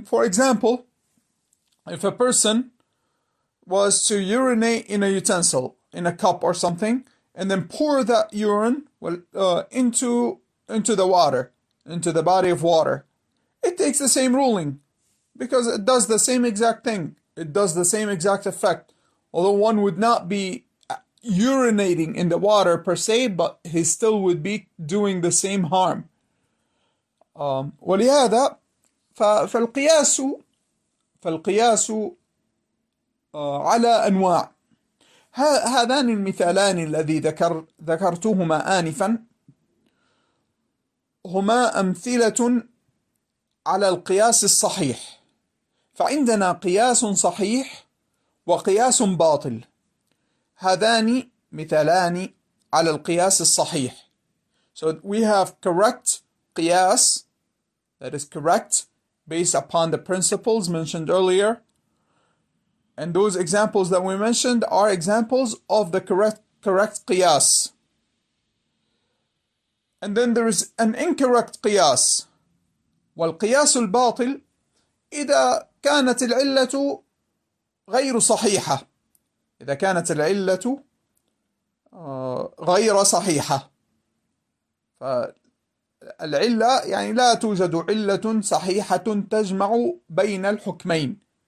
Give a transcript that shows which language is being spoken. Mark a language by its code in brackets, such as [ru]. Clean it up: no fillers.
[en] For example, if a person was to urinate in a utensil, in a cup or something, and then pour that urine into the water, into the body of water, it takes the same ruling because it does the same exact thing. It does the same exact effect. Although one would not be urinating in the water per se, but he still would be doing the same harm. [ar] ولهذا فالقياس على أنواع. هذان المثالان الذي ذكرتهما آنفا هما أمثلة على القياس الصحيح. فعندنا قياس صحيح وقياس باطل، هذان مثالان على القياس الصحيح. [en] So we have correct قياس, that is correct based upon the principles mentioned earlier. And those examples that we mentioned are examples of the correct قياس. And then there is an incorrect قياس. [ar] والقياس الباطل إذا كانت العلة غير صحيحة. إذا كانت العلة غير صحيحة. فالعلة يعني لا توجد علة صحيحة تجمع بين الحكمين.